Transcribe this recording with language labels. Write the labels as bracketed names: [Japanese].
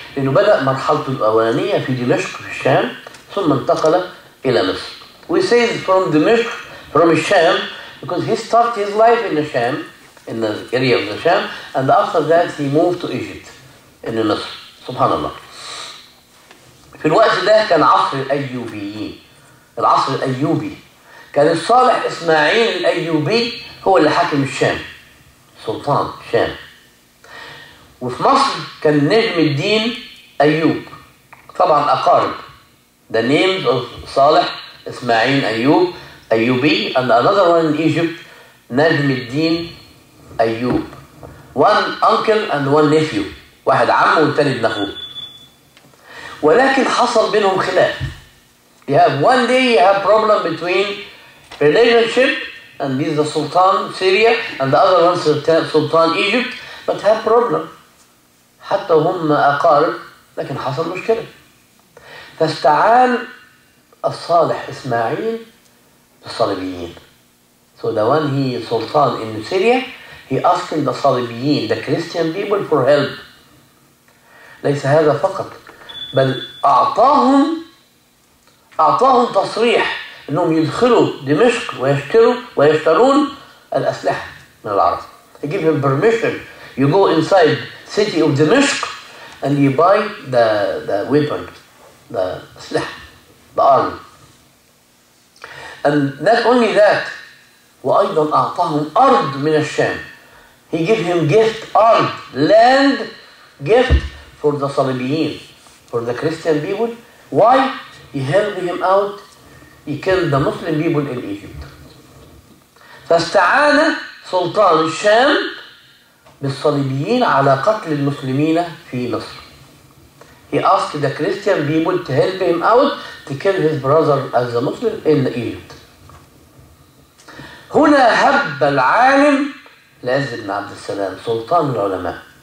[English] Because he started the first stage in Dimashq, in Sham, then he moved to Masr. We say from Dimashq, from Sham, because he started his life in the Sham, in the area of the Sham, and after that he moved to Egypt, in the Masr. [Arabic] Subhanallah. في الوقت ده كان عصر الأيوبيين. العصر الأيوبي. كان الصالح إسماعيل الأيوبي هو اللي حاكم الشام. سلطان شام. وفي مصر كان نجم الدين أيوب. طبعا أقارب. [English] The names of صالح إسماعيل أيوب. Ayyubi, and another one in Egypt, Najm al-Din Ayyub. One uncle and one nephew. [Arabic] واحد عم والتاني ابن اخوه. ولكن حصل بينهم خلاف. [English] You have one day you have problem between relationship, and this is the Sultan Syria, and the other one Sultan Egypt, but have problem. [Arabic] حتى هم أقارب, لكن حصل مشكلة. فاستعان الصالح إسماعيل الصليبيين. [English] So the one he sultan in Syria, he asking the Salibiyin, the Christian people for help. [Arabic] ليس هذا فقط بل أعطاهم تصريح أنهم يدخلوا دمشق ويشترون الأسلحة من العرب. [English] He give him permission. You go inside city of Dimashq and you buy the weapon, the أسلحة, the army. And not only that, [Arabic] وأيضا أعطاهم أرض من الشام. [English] He gave him gift, أرض, land, gift for the صليبيين, for the Christian people. Why? He helped him out. He killed the Muslim people in Egypt. [Arabic] فاستعان سلطان الشام بالصليبيين على قتل المسلمين في مصر. [English] He asked the Christian people to help him out to kill his brother as a Muslim in Egypt. [Arabic] هنا هب العالم العز بن عبد السلام سلطان العلماء.